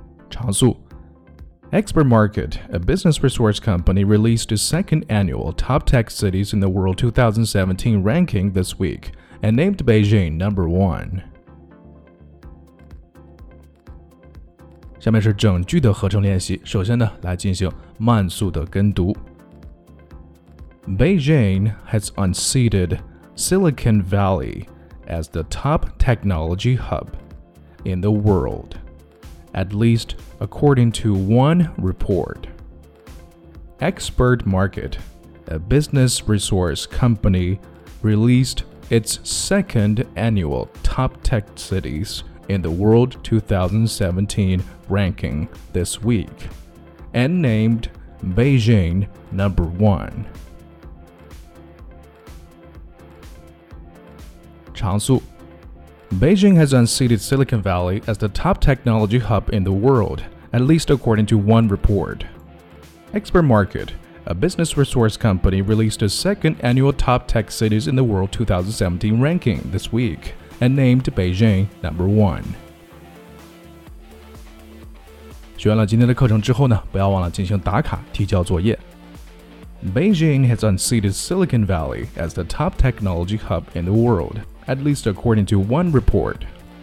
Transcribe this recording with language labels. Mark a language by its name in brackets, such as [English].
[Chinese] 长速。 [English] Expert Market, a business resource company, released its second annual Top Tech Cities in the World 2017 ranking this week and named Beijing number one. [Chinese] 下面是整句的合成练习，首先呢，来进行慢速的跟读。 [English] Beijing has unseated Silicon Valley as the top technology hub in the world. At least according to one report. Expert Market, a business resource company, released its second annual Top Tech Cities in the World 2017 ranking this week and named Beijing number one. [Chinese] 长速。 [English] Beijing has unseated Silicon Valley as the top technology hub in the world, at least according to one report. Expert Market, a business resource company, released its second annual Top Tech Cities in the World 2017 ranking this week and named Beijing number one. [Chinese] 学完了今天的课程之后呢，不要忘了进行打卡提交作业。 [English] Beijing has unseated Silicon Valley as the top technology hub in the world.At least according to one report.